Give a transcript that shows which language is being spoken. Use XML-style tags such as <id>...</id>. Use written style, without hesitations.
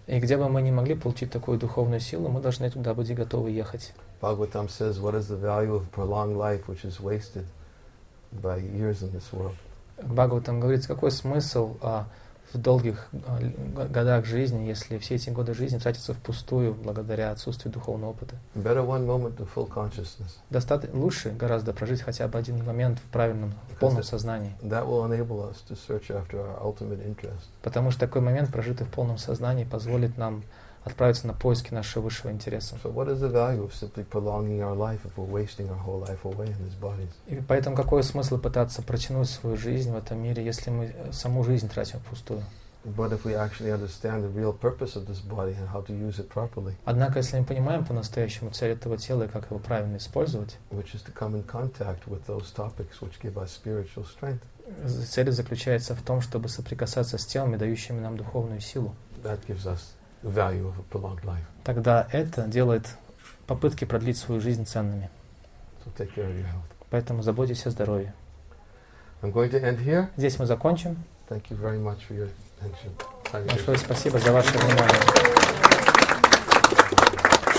<ru>И где бы мы ни могли получить такую духовную силу, мы должны туда быть готовы ехать.</ru> <en>Bhagavatam says, what is the value of prolonged life, which is wasted by years in this world?</en> <ru>Бхагаватам говорит, какой смысл в долгих годах жизни, если все эти годы жизни тратятся впустую благодаря отсутствию духовного опыта.</ru> <en>Better one moment to full consciousness.</en> <ru>Лучше гораздо прожить хотя бы один момент в правильном, в полном сознании.</ru> <en>That will enable us to search after our ultimate interest.</en> <ru>Потому что такой момент, прожитый в полном сознании, позволит нам отправиться на поиски нашего высшего интереса.</ru> <en>So what is the value of simply prolonging our life if we're wasting our whole life away in these bodies?</en> <ru>И поэтому какой смысл пытаться протянуть свою жизнь в этом мире, если мы саму жизнь тратим впустую?</ru> <en>But if we actually understand the real purpose of this body and how to use it properly.</en> <ru>Однако если мы понимаем по-настоящему цель этого тела и как его правильно использовать,</ru> <en>which is to come in contact with those topics which give us spiritual strength.</en> <ru>Цель заключается в том, чтобы соприкасаться с телами, дающими нам духовную силу.</ru> <en>That gives us value of a prolonged life.</en> <ru>Тогда это делает попытки продлить свою жизнь ценными.</ru> <en>So take care of your health.</en> <ru>Поэтому заботьтесь о здоровье.</ru> <en>I'm going to end here.</en> <ru>Здесь мы закончим.</ru> <en>Thank you very much for your attention.</en> <ru>Большое спасибо за ваше внимание.</ru>